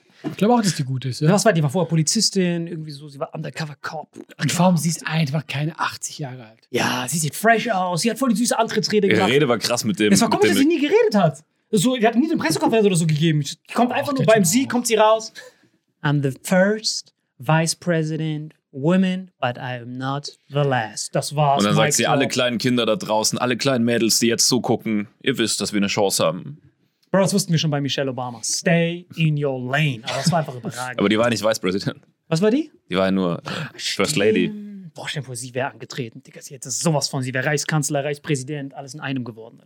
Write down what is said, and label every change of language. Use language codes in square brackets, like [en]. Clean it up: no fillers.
[de] Ich glaube auch, dass die gut ist. Was war die? War vorher Polizistin, irgendwie so, sie war Undercover Cop. Und warum, sie ist einfach keine 80 Jahre alt. Ja, sie sieht fresh aus, sie hat voll die süße Antrittsrede gemacht. Ihre Rede war krass mit dem. Es war komisch, dass sie nie geredet hat. So, sie hat nie eine Pressekonferenz oder so gegeben. Die kommt einfach nur beim Sieg, kommt sie raus. [en] I'm the first Vice President woman, but I am not the last. [de] Das war's. Und dann sagt sie, alle kleinen Kinder da draußen, alle kleinen Mädels, die jetzt zugucken, ihr wisst, dass wir eine Chance haben. Bro, das wussten wir schon bei Michelle Obama. [en] Stay in your lane. [de] Aber das war einfach überragend. Aber die war nicht Vice President. Was war die? Die war ja nur First Lady. Boah, stell dir vor, sie wäre angetreten. Digga, sie hätte sowas von. Sie wäre Reichskanzler, Reichspräsident, alles in einem geworden.